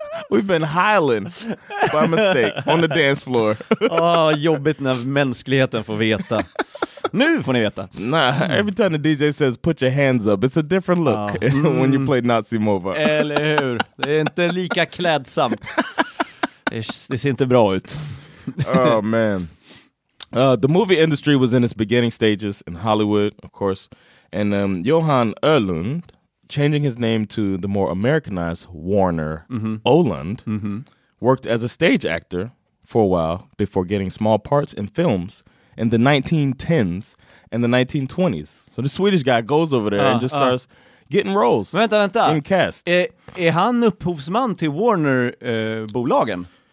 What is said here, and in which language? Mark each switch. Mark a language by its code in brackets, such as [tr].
[en] We've been highland by mistake on the dance floor. [sv] Åh, oh, jobbigt när mänskligheten får veta. Nu får ni veta. [en] Nah, every time the DJ says put your hands up, it's a different look when you play Nazimova. [sv] Eller hur? Det är inte lika klädsamt. Det ser inte bra ut. [en] Oh man. The movie industry was in its beginning stages in Hollywood, of course. And Johan Ölund, changing his name to the more Americanized Warner Ölund, worked as a stage actor for a while before getting small parts in films in the 1910s and the 1920s. So the Swedish guy goes over there and just starts getting roles. [sv] Vänta, vänta. [en] In cast. [sv] Är han upphovsman till Warner-bolagen?